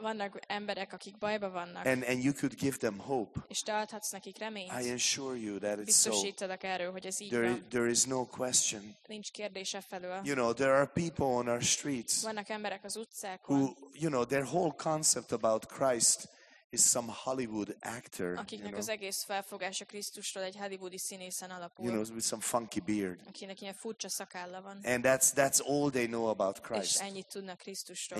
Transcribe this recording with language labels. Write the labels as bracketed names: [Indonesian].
[Hungarian] Vannak emberek, akik bajba vannak. [English] And you could give them hope. [Hungarian] És te adhatsz nekik reményt. [English] I assure you that it's so. [Hungarian] Biztosítalak erről, hogy ez így van. [English] There is no question. [Hungarian] Nincs kérdése felől. [English] You know, there are people on our streets. [Hungarian] Vannak emberek az utcákon. [English] Who, you know, their whole concept about Christ is some Hollywood actor. [Hungarian] Akiknek, [English] you know, [Hungarian] az egész felfogása Krisztusról egy hollywoodi színészen alapul. [English] You know, with some funky beard. [Hungarian] Akinek ilyen furcsa szakálla van. [English] And that's all they know about Christ. [Hungarian] És ennyit tudnak Krisztusról.